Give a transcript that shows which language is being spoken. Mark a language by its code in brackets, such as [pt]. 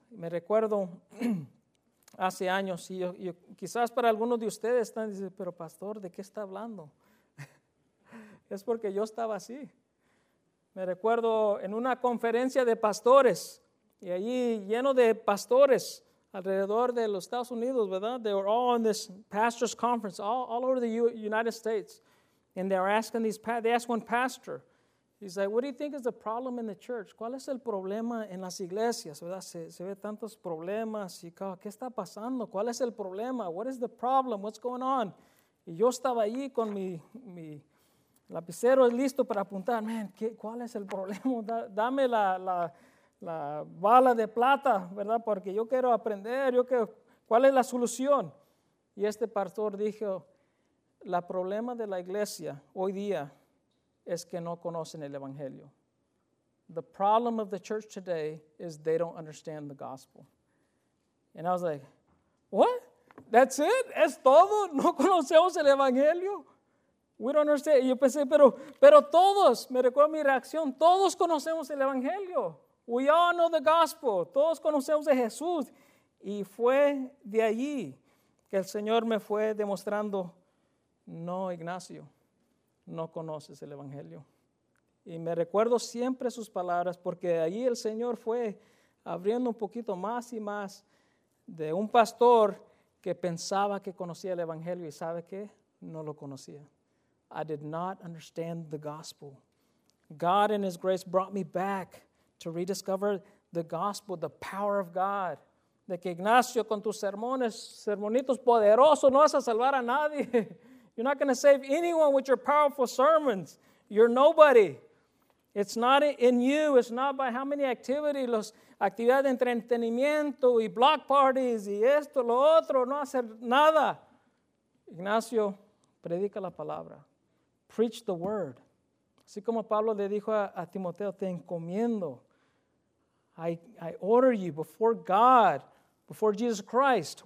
[es] Me recuerdo hace años, y yo, quizás para algunos de ustedes están diciendo, pero pastor, ¿de qué está hablando? Es porque yo estaba así. Me recuerdo en una conferencia de pastores, y allí lleno de pastores alrededor de los Estados Unidos, ¿verdad? [en] They were all in this pastor's conference, all over the United States. And they're asking they asked one pastor, he's like, what do you think is the problem in the church? [es] ¿Cuál es el problema en las iglesias? ¿Verdad? Se ve tantos problemas. Y, oh, ¿qué está pasando? ¿Cuál es el problema? [en] What is the problem? What's going on? [es] Y yo estaba allí con mi lapicero listo para apuntar. Man, ¿cuál es el problema? Dame la bala de plata, ¿verdad? Porque yo quiero aprender. ¿Cuál es la solución? Y este pastor dijo, el problema de la iglesia hoy día es que no conocen el Evangelio. the problem of the church today is they don't understand the gospel. [en] And I was like, what? That's it? [es] ¿Es todo? ¿No conocemos el evangelio? [en] We don't understand. [es] Yo pensé, pero todos, me recuerdo mi reacción, todos conocemos el evangelio. [en] We all know the gospel. [es] Todos conocemos a Jesús. Y fue de allí que el Señor me fue demostrando, no, Ignacio, no conoces el evangelio. Y me recuerdo siempre sus palabras, porque allí el Señor fue abriendo un poquito más y más de un pastor que pensaba que conocía el evangelio. ¿Y sabe qué? No lo conocía. [en] I did not understand the gospel. God in his grace brought me back to rediscover the gospel, the power of God. [es] De que Ignacio, con tus sermones, sermonitos poderosos, no vas a salvar a nadie. [en] You're not going to save anyone with your powerful sermons. You're nobody. It's not in you. It's not by how many activities, [es] los actividades de entretenimiento y [en] block parties [es] y esto, lo otro, no hacer nada. Ignacio, predica la palabra. [en] Preach the word. [es] Así como Pablo le dijo a Timoteo, te encomiendo. [en] I order you before God, before Jesus Christ.